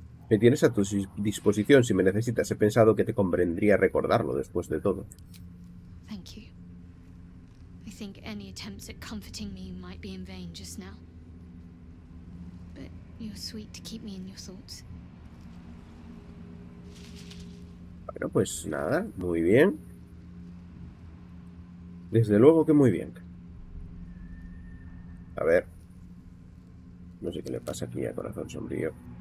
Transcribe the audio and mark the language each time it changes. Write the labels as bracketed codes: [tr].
[es] Me tienes a tu disposición si me necesitas. He pensado que te convendría recordarlo después de todo. [en] Thank you. I think any attempts at comforting me might be in vain just now. But you're sweet to keep me in your thoughts. [es] Bueno, pues nada, muy bien. Desde luego que muy bien. A ver. No sé qué le pasa aquí a Corazón Sombrío.